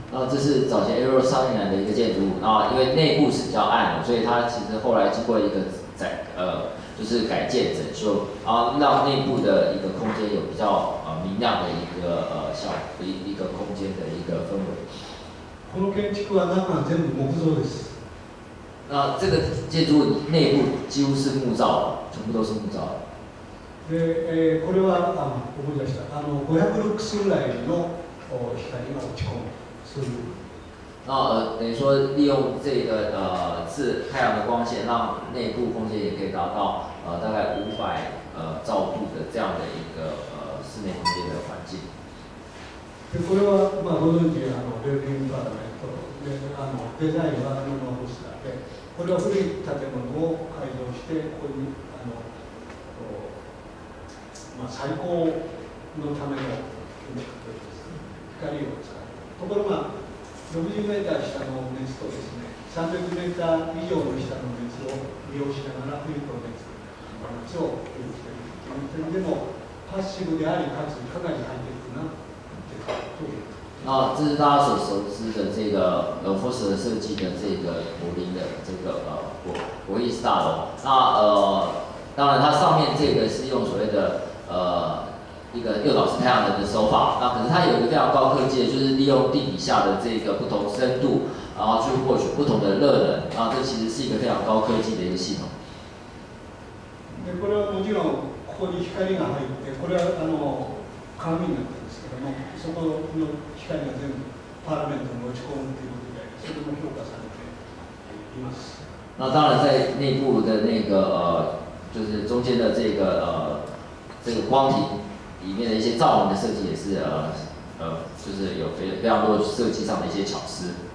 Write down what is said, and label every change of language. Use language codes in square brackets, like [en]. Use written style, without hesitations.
[zh] 那这是早前 Aero 上映来的一个建筑物，那因为内部是比较暗，所以它其实后来经过一个就是改建整修，然后让内部的一个空间有比较明亮的一个一个空间的一个氛围。 [ja] この建築は中は全部木造です。 [zh] 那这个建筑内部几乎是木造，全部都是木造。 [ja] で、これは思い出した。あの500lux ぐらいの光が落ち込む。そういう。 [zh] 那等于说利用这个是太阳的光线，让内部空间也可以达到大概500兆度的这样的一个室内空间的环境。 [ja] でこれはまあご存知あのベルリンパラメントであのデザインはノルマンスだで、これは古い建物を改造してここにあのまあ採光のための建築です。光を使う。ところが60m 下の熱とですね、300m 以上の下の熱を利用しながら冬と熱を利用しているという点でも、パッシブであり、かつかなり入っていくなということです。 [zh] 那这是大家所熟知的这个罗浮士设计的这个柏林的这个国艺大楼。那当然它上面这个是用所谓的一个右岛式太阳能的手法，那可是它有一个非常高科技的，就是利用地底下的这个不同深度，然后去获取不同的热能，那这其实是一个非常高科技的一个系统。 [ja] でこれはもちろんここに光が入って、これはあの鏡になってるんですけども、そこの光が全部パラメントに落ち込むということで、それも評価されています。 [zh] 那当然在内部的那个就是中间的这个这个光体。里面的一些照明的设计也是就是有非常多设计上的一些巧思。